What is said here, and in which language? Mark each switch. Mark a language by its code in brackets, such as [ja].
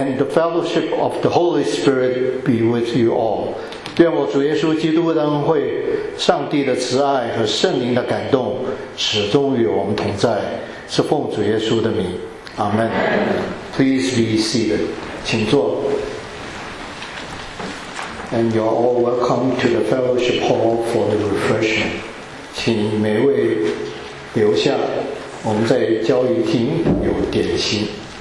[en] Fellowship of the Holy Spirit be with you all. [zh] 愿我主耶稣基督的恩惠、上帝的慈爱和圣灵的感动始终与我们同在。是奉主耶稣的名， [en] Amen. Please be seated. [zh] 请坐。 [en] And you are all welcome to the fellowship hall for the refreshment. [zh] 请每位留下，我们在交谊厅有点心。